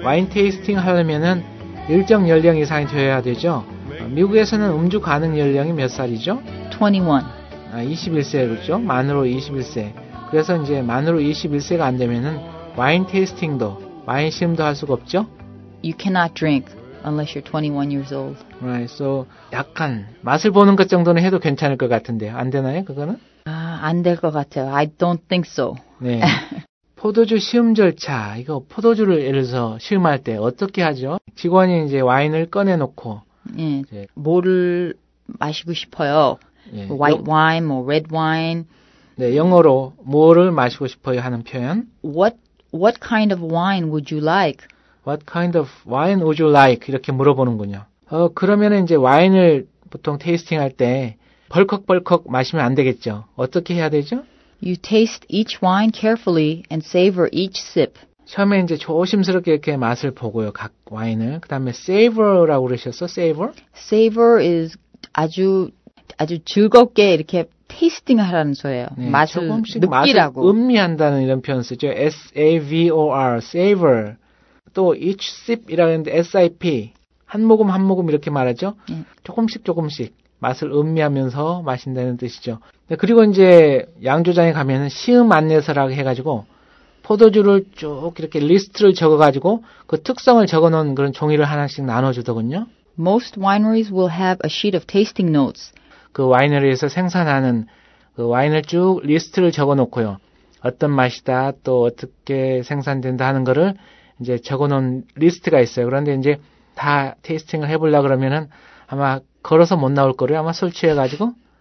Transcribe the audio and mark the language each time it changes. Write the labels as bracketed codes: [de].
[ko] 와인 테이스팅 하려면은 일정 연령 이상이 되어야 되죠. 미국에서는 음주 가능 연령이 몇 살이죠? 21. 아, 21세 그렇죠? 만으로 21세. 그래서 이제 만으로 21세가 안 되면은 와인 테이스팅도 와인 시음도 할 수가 없죠? [en] You cannot drink unless you're 21 years old. Right. [ko] So 약간 맛을 보는 것 정도는 해도 괜찮을 것 같은데 안 되나요, 그거는? 아, 안 될 것 같아요. [en] I don't think so. [ko] 네. 포도주 시음 절차. 이거 포도주를 예를 들어서 시음할 때 어떻게 하죠? 직원이 이제 와인을 꺼내 놓고 예. 뭐를 마시고 싶어요? 예. [en] White wine or red wine. [ko] 네, 영어로 뭐를 마시고 싶어요 하는 표현. [en] What kind of wine would you like? What kind of wine would you like? [ko] 이렇게 물어보는군요. 그러면 이제 와인을 보통 테이스팅할 때 벌컥벌컥 마시면 안 되겠죠. 어떻게 해야 되죠? [en] You taste each wine carefully and savor each sip. [ko] 처음에 이제 조심스럽게 이렇게 맛을 보고요, 각 와인을. 그 다음에 savor라고 그러셨어, savor? [en] Savor is [ko] 아주 아주 즐겁게 이렇게 테이스팅 하라는 소예요. 네, 맛을 조금씩 느끼라고. 맛을 음미한다는 이런 표현 쓰죠. S-A-V-O-R, savor. 또 each sip이라고 했는데 S-I-P. 한 모금 이렇게 말하죠. 조금씩 조금씩 맛을 음미하면서 마신다는 뜻이죠. 네, 그리고 이제 양조장에 가면 시음 안내서라고 해가지고 포도주를 쭉 이렇게 리스트를 적어가지고 그 특성을 적어놓은 그런 종이를 하나씩 나눠주더군요. [en] Most wineries will have a sheet of tasting notes. [ko] 그 와이너리에서 생산하는 그 와인을 쭉 리스트를 적어놓고요. 어떤 맛이다, 또 어떻게 생산된다 하는 거를 이제 적어놓은 리스트가 있어요. 그런데 이제 다 테이스팅을 해보려 그러면은 아마 걸어서 못 나올 거예요. 아마 술 취해가지고.